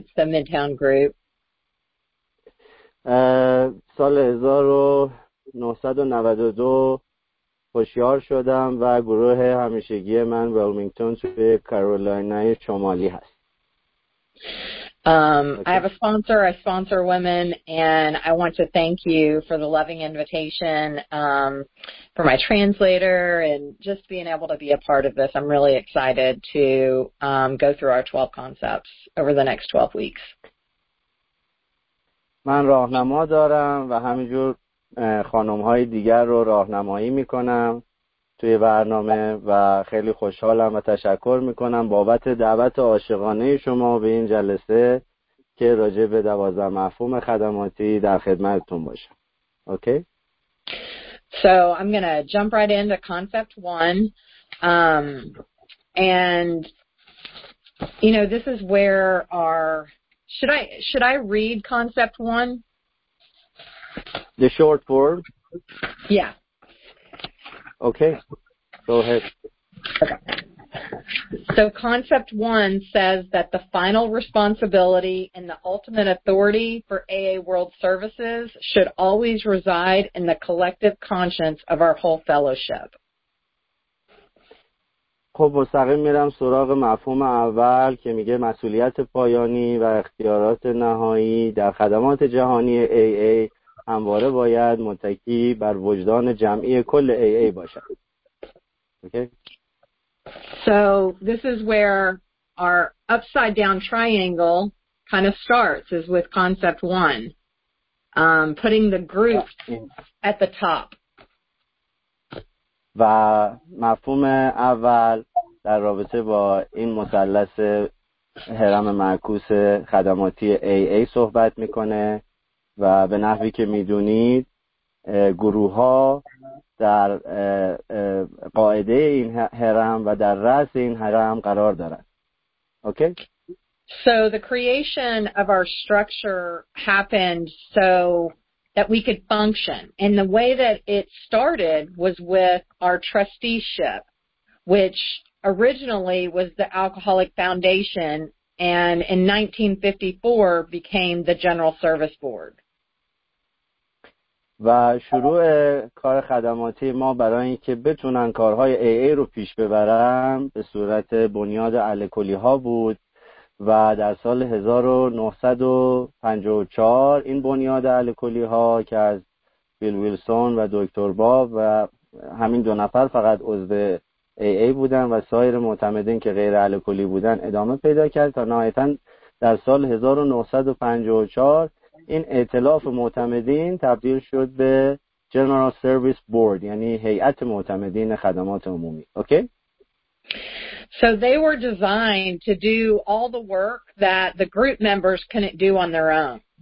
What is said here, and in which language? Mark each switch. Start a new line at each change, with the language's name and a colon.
English: It's the Midtown Group.
Persian: سال 1992 هوشیار شدم و گروه همیشگی من ویلمینگتون توی کارولاینای شمالی هست.
English: I have a sponsor. I sponsor women, and I want to thank you for the loving invitation, for my translator, and just being able to be a part of this. I'm really excited to go through our 12 concepts over the next 12 weeks.
Persian: من راهنما دارم و همینجور خانم‌های دیگر رو راهنمایی می‌کنم توی برنامه و خیلی خوشحالم و تشکر می‌کنم بابت دعوت عاشقانه شما به این جلسه که راجع به 12 مفهوم خدماتی در خدمتتون باشم.
English: Okay? So I'm going to jump right into concept 1. And you know, this is where our should I read concept 1? The short form? Yeah. Okay. Go ahead. Okay. So concept 1 says that the final responsibility and the ultimate authority for AA World Services should always reside in the collective conscience of our whole fellowship.
Persian: خب مستقیم میرم سراغ مفهوم اول که میگه مسئولیت پایانی و اختیارات نهایی در خدمات جهانی AA همواره باید متکی بر وجدان جمعی کل AA باشد.
English: Okay. So this is where our upside down triangle kind of starts, is with concept one, putting the group at the top.
Persian: و مفهوم اول در رابطه با این مثلث هرم معکوس خدماتی AA صحبت میکنه و به نحوی که میدونید گروه ها در قاعده این هرم و در رأس این هرم قرار دارند.
English: Okay? So the creation of our structure happened so that we could function. And the way that it started was with our trusteeship, which originally was the Alcoholic Foundation and in 1954 became the General Service Board.
Persian: و شروع کار خدماتی ما برای اینکه بتونن کارهای AA رو پیش ببرن به صورت بنیاد الکلی ها بود و در سال 1954 این بنیاد الکلی ها که از بیل ویلسون و دکتر باب و همین دو نفر فقط عضو AA بودن و سایر معتمدین که غیر الکلی بودن ادامه پیدا کرد تا نهایتا در سال 1954 این ائتلاف معتمدین تبدیل شد به General Service Board یعنی هیئت معتمدین خدمات عمومی.
English: Okay? So they were designed to do all the work that the group members couldn't do on their own.